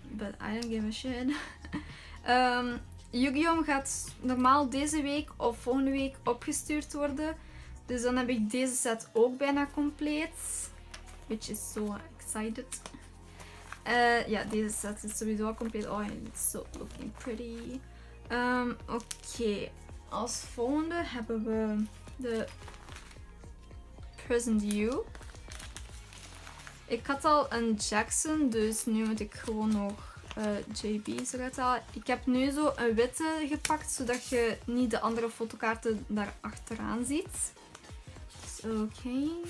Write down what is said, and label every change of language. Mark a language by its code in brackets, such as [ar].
[en] But I don't give a shit. [nl] Yugyeom gaat normaal deze week of volgende week opgestuurd worden. Dus dan heb ik deze set ook bijna compleet. [en] Which is so excited. [nl] Ja, deze set is sowieso al compleet. [en] Oh, it's so looking pretty. [nl] Oké. Als volgende hebben we de Present You. Ik had al een Jackson, dus nu moet ik gewoon nog JB's eruit halen. Ik heb nu zo een witte gepakt, zodat je niet de andere fotokaarten daar achteraan ziet. Dus oké.